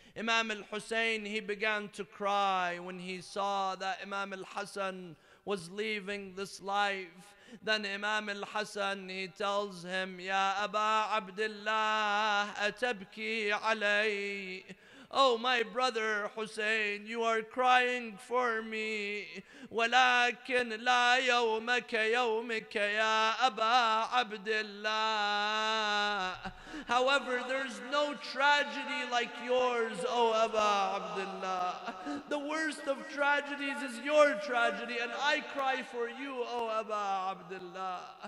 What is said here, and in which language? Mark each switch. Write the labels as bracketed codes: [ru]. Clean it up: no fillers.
[en] Imam al-Hussein, he began to cry when he saw that Imam al-Hassan was leaving this life. Then Imam al-Hassan, he tells him, Ya Aba Abdullah, [ar] atabki alay. [en] Oh, my brother Hussein, you are crying for me. [ar] ولكن لا يومك يومك يا أبا عبد الله. [en] However, there's no tragedy like yours, O Abba Abdullah. The worst of tragedies is your tragedy, and I cry for you, O Abba Abdullah.